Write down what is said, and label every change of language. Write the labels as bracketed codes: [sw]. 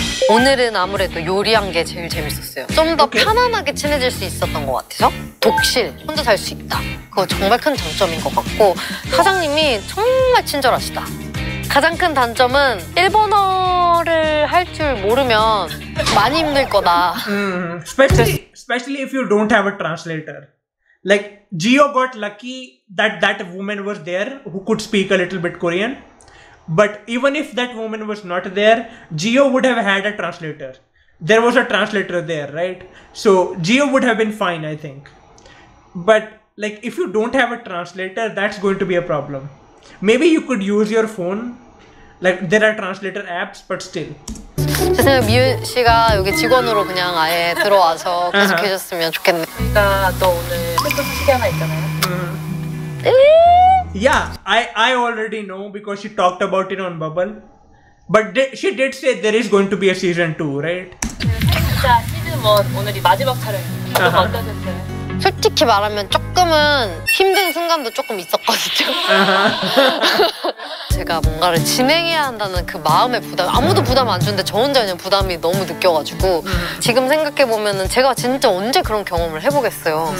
[ko] 오늘은 아무래도 요리한 게 제일 재밌었어요. 좀 더 편안하게 친해질 수 있었던 것 같아서 독실, 혼자 살 수 있다. 그거 정말 큰 장점인 것 같고 사장님이 정말 친절하시다. 가장 큰 단점은 일본어를 할 줄 모르면 많이 힘들 거다. [en] Especially if you don't have a translator. Like, Gio got lucky that woman was there who could speak a little bit Korean. But even if that woman was not there, Gio would have had a translator. There was a translator there, right? So Gio would have been fine, I think. But like, if you don't have a translator, that's going to be a problem. Maybe you could use your phone. Like, there are translator apps, but still. [ko] 선생님, 미유 씨가 여기 직원으로 그냥 아예 들어와서 계속해줬으면 좋겠네. 나 또 오늘 또 소식이 하나 있잖아요. [en] Yeah, I already know because she talked about it on Bubble. But she did say there is going to be a season 2, right? [ko] 시즌 1 오늘이 마지막 촬영이에요. 어떠셨어요? 솔직히 말하면 조금은 힘든 순간도 조금 있었거든요. 제가 뭔가를 진행해야 한다는 그 마음의 부담, 아무도 부담 안 주는데 저 혼자 그냥 부담이 너무 느껴가지고 지금 생각해보면은 제가 진짜 언제 그런 경험을 해보겠어요.